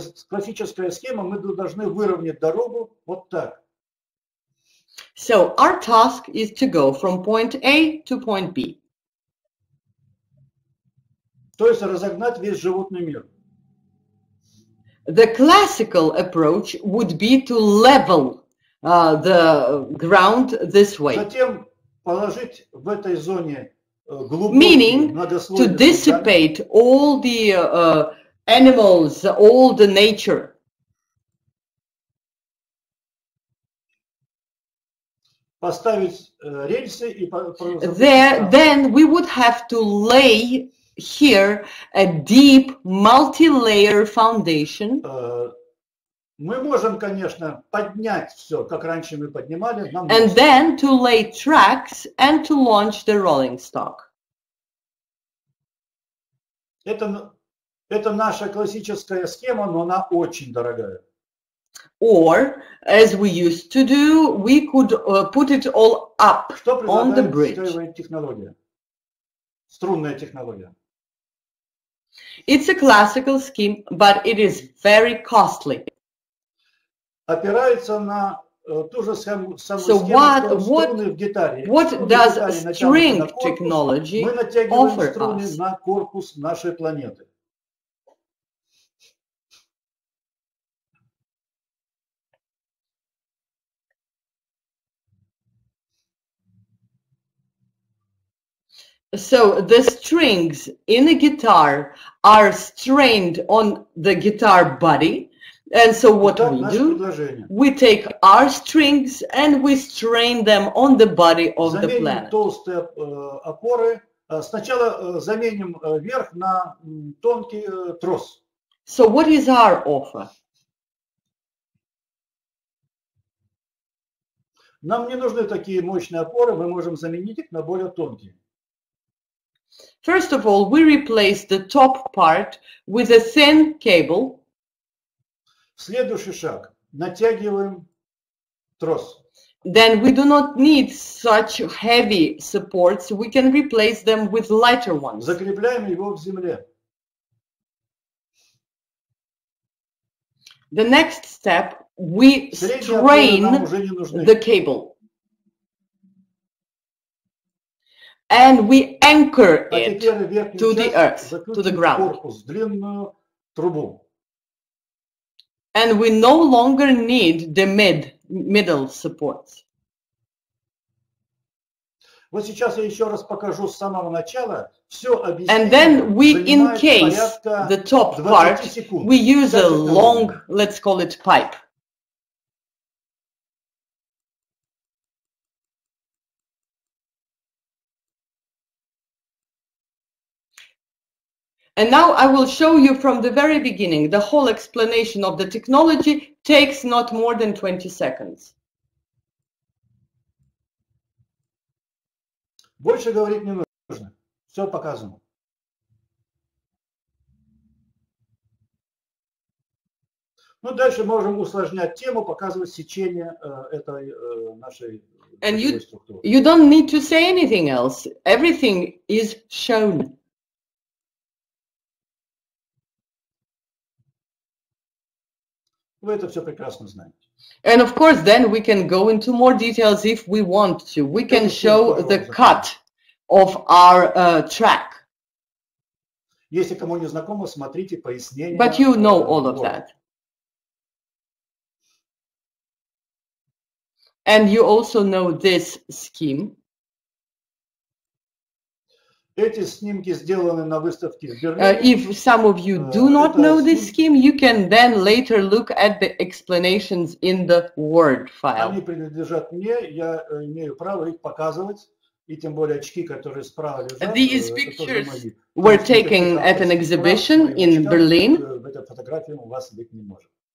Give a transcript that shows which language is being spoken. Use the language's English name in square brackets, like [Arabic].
[Russian] Классическая схема, мы должны выровнять дорогу вот так. [English] So our task is to go from point A to point B. [Russian] То есть разогнать весь животный мир. [English] The classical approach would be to level the ground this way. [Russian] Затем положить в этой зоне глубокие, [English] meaning to dissipate all the animals, all the nature. [Russian] Поставить рельсы и [English] there, then we would have to lay here a deep multi-layer foundation. [Russian] Мы можем, конечно, поднять все, как раньше мы поднимали. Нам [English] and [Russian] нужно. [English] Then to lay tracks and to launch the rolling stock. [Russian] Это наша классическая схема, но она очень дорогая. [English] Or, as we used to do, we could put it all up on the bridge. [Russian] Что предлагает технология? Струнная технология. [English] It's a classical scheme, but it is very costly. [Russian] Опирается на ту же самую схему, что струны в гитаре. [English] What does string technology offer us? [Russian] Мы натягиваем струны на корпус нашей планеты. [English] So the strings in a guitar are strained on the guitar body. And so what we do, we take our strings and we strain them on the body of the planet. [Russian] Толстые опоры. Сначала заменим верх на тонкий трос. [English] So what is our offer? [Russian] Нам не нужны такие мощные опоры, мы можем заменить их на более тонкие. [English] First of all, we replace the top part with a thin cable. [Russian] Следующий шаг. Натягиваем трос. [English] Then we do not need such heavy supports. We can replace them with lighter ones. [Russian] Закрепляем его в земле. [English] The next step, we strain the cable. And we anchor it to the earth, to the ground. And we no longer need the middle supports. [Russian] Вот сейчас я еще раз покажу с самого начала. Все объясню. [English] And then we encase the top part. We use a long, let's call it pipe. And now I will show you from the very beginning. The whole explanation of the technology takes not more than 20 seconds. [Russian] Больше говорить не нужно. Все показано. Ну, дальше можем усложнять тему, показывать сечение этой нашей структуры. [English] And you don't need to say anything else. Everything is shown. [Russian] Вы это все прекрасно знаете. [English] And of course, then we can go into more details if we want to. We can show the cut of our track. [Russian] Если кому не знакомо, смотрите пояснение. [English] But you know all of that. And you also know this scheme. [Russian] Эти снимки сделаны на выставке в Берлине. [English] If some of you do not know this scheme, you can then later look at the explanations in the Word file. [Russian] Они принадлежат мне, я имею право их показывать, и тем более очки, которые справа лежат. [English] These pictures were taken at an exhibition in Berlin. [Russian] В этой фотографии у вас быть не может.